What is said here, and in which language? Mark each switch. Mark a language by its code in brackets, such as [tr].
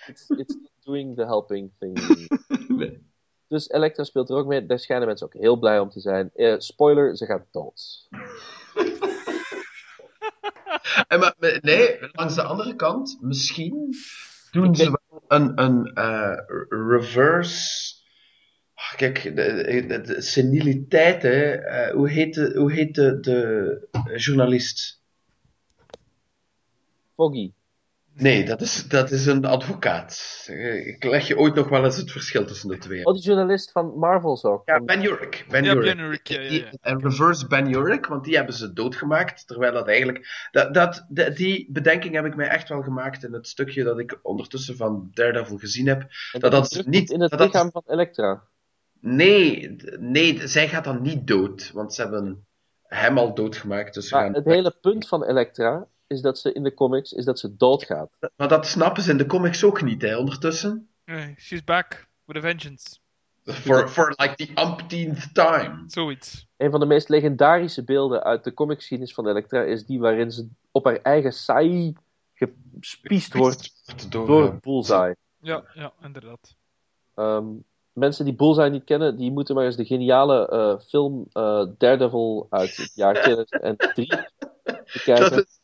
[en] It's doing the helping thing. [nl] Nee. Dus Elektra speelt er ook mee. Daar schijnen mensen ook heel blij om te zijn. Spoiler, ze gaat dood. En maar, nee, langs de andere kant. Misschien doen ze wel een reverse... Kijk, de seniliteit, hè. Hoe heet de journalist? Foggy. Nee, dat is een advocaat. Ik leg je ooit nog wel eens het verschil tussen de twee. Oh, de journalist van Marvel zo. Ja, Ben Urich. Reverse Ben Urich, want die hebben ze doodgemaakt. Terwijl dat eigenlijk... Die bedenking heb ik mij echt wel gemaakt in het stukje dat ik ondertussen van Daredevil gezien heb. Dat is niet... In het lichaam van Elektra. Nee, zij gaat dan niet dood, want ze hebben hem al doodgemaakt. Dus maar het hele punt van Elektra is dat ze in de comics is dat ze doodgaat. Maar dat snappen ze in de comics ook niet, hè, ondertussen. [en] Nee, she's back with a vengeance. For like the umpteenth time. [nl] Zoiets. Een van de meest legendarische beelden uit de comicscenes van Elektra is die waarin ze op haar eigen saai gespiest wordt door Bullseye. Ja, inderdaad. Mensen die Bullseye niet kennen, die moeten maar eens de geniale film Daredevil uit het jaar 2003 bekijken.